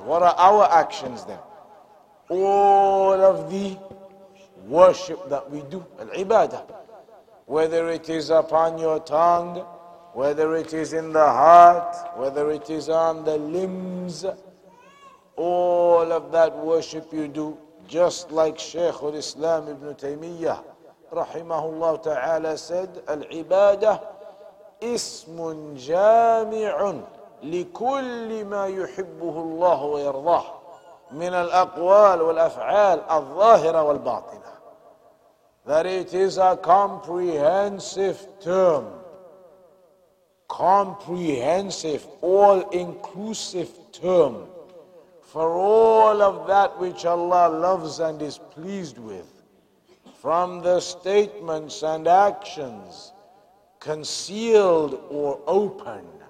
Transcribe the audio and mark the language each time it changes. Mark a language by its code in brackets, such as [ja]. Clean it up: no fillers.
[en] What are our actions then? All of the worship that we do, al-ibadah, whether it is upon your tongue, whether it is in the heart, whether it is on the limbs, all of that worship you do, just like Shaykh al-Islam Ibn Taymiyyah, [ar] رحمه الله تعالى [en] said [ar] العبادة اسم جامع لكل ما يحبه الله ويرضاه من الأقوال والأفعال الظاهرة والباطنة. [en] That it is a comprehensive term, comprehensive, all-inclusive term for all of that which Allah loves and is pleased with, from the statements and actions concealed or open,